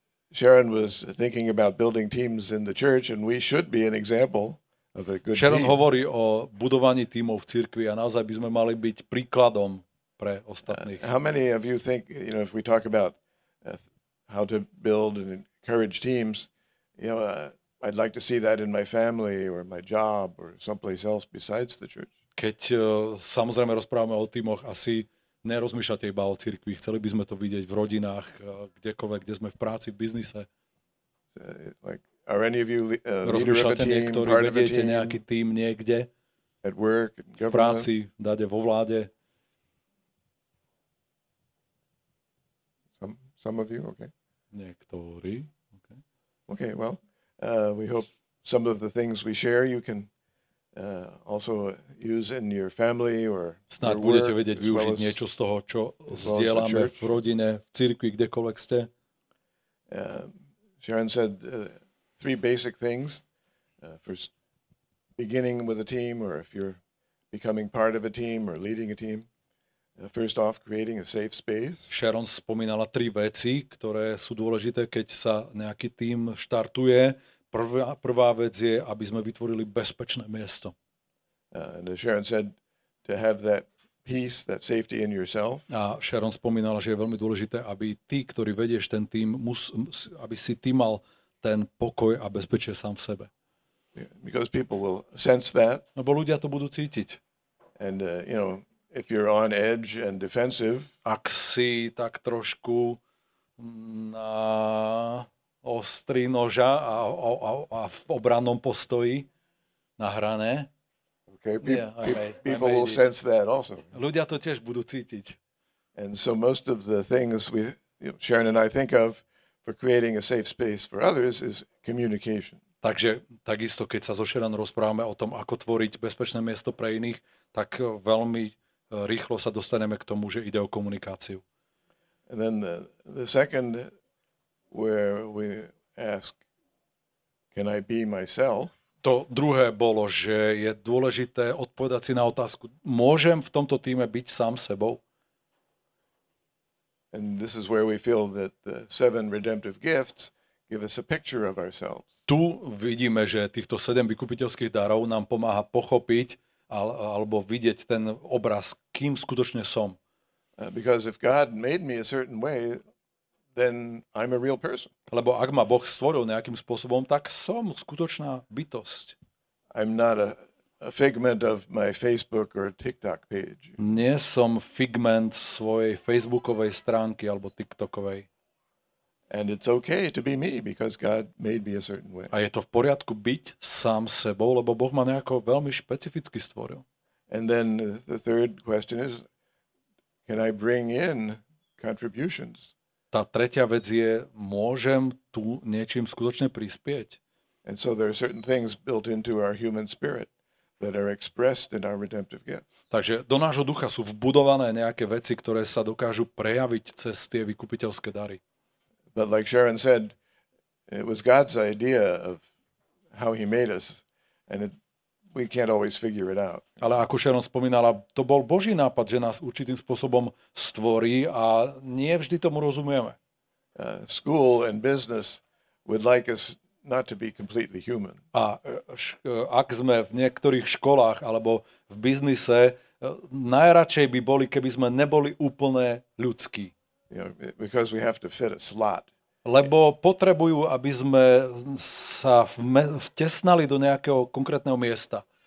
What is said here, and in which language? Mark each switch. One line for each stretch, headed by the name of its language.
English: Sharon was thinking about building teams in the church and we should be an example.
Slovak: Sharon hovorí o budovaní tímov v cirkvi a naozaj by sme mali byť príkladom pre ostatných.
English: How many of you think, you know, if we talk about how to build and encourage teams, you know, I'd like to see that in my family or my job or someplace else besides the church.
Slovak: Keď samozrejme rozprávame o tímoch, asi nerozmýšľate iba o cirkvi, chceli by sme to vidieť v rodinách, kdekoľvek, kde sme v práci, v biznise.
English: Are any of you leader of a team, part of a team?
Slovak: Rozmýšľate niektorí, vediete nejaký tým niekde?
English: At work, in government?
Slovak: V práci, dade, vo vláde?
English: Some of you, okay.
Slovak: Niektorí, okay.
English: Okay, well, we hope some of the things we share you can also use in your family or your work.
Slovak: Snáď budete vedieť využiť niečo z toho, čo zdieľame v rodine, v cirkvi, kdekoľvek ste.
English: Sharon said three basic things for beginning with a team or if you're becoming part of a team or leading a team. First off, creating a safe space.
Slovak: Sharon spomínala tri veci, ktoré sú dôležité, keď sa nejaký tím štartuje. Prvá vec je, aby sme vytvorili bezpečné miesto.
English: And Sharon said to have that peace, that safety in yourself.
Slovak: A Sharon spomínala, že je veľmi dôležité, aby ty, ktorý vedieš ten tím, aby si ty mal ten pokoj a bezpečie sám v sebe.
English: Because people will sense that.
Slovak: Lebo ľudia to budú cítiť.
English: And you know, if you're on edge and defensive,
Slovak: ak si tak trošku na ostri noža a v obrannom postoji na hrane.
English: Okay, people will sense that also.
Slovak: Ľudia to tiež budú cítiť.
English: And so most of the things we, you know, Sharon and I think of for creating a safe space for others is communication.
Slovak: Takže takisto, keď sa so Sharon rozprávame o tom, ako tvoriť bezpečné miesto pre iných, tak veľmi rýchlo sa dostaneme k tomu, že ide o komunikáciu.
English: And then the second, where we ask, can I be myself?
Slovak: To druhé bolo, že je dôležité odpovedať si na otázku, môžem v tomto týme byť sám sebou?
English: And this is where we feel that the seven redemptive gifts give us a picture of ourselves.
Slovak: Tu vidíme, že týchto 7 vykupiteľských darov nám pomáha pochopiť alebo vidieť ten obraz, kým skutočne som.
English: Because if God made me a certain way, then I'm a real person.
Slovak: Lebo ak ma Boh stvoril nejakým spôsobom, tak som skutočná bytosť.
English: I'm not a figment of my Facebook or TikTok page.
Slovak: Nie som figment svojej facebookovej stránky alebo TikTokovej.
English: And it's okay to be me because God made me a certain way.
Slovak: A je to v poriadku byť sám sebou, lebo Boh ma nejako veľmi špecificky stvoril.
English: And then the third question is, can I bring in contributions?
Slovak: Tá tretia vec je, môžem tu niečím skutočne prispieť?
English: And so there are certain things built into our human spirit that are expressed in our redemptive gift.
Slovak: Takže do nášho ducha sú vbudované nejaké veci, ktoré sa dokážu prejaviť cez tie vykupiteľské dary.
English: But like Sharon said, it was God's idea of how he made us, and we can't always figure it out.
Slovak: Ale ako Sharon spomínala, to bol Boží nápad, že nás určitým spôsobom stvorí a nie vždy tomu rozumieme.
English: School and business would like us not to be completely human.
Slovak: A ak sme v niektorých školách alebo v biznise, najradšej by boli, keby sme neboli úplne ľudskí.
English: You know, because we have to fit a slot.
Slovak: Lebo potrebujú, aby sme sa vtesnali do nejakého konkrétneho miesta.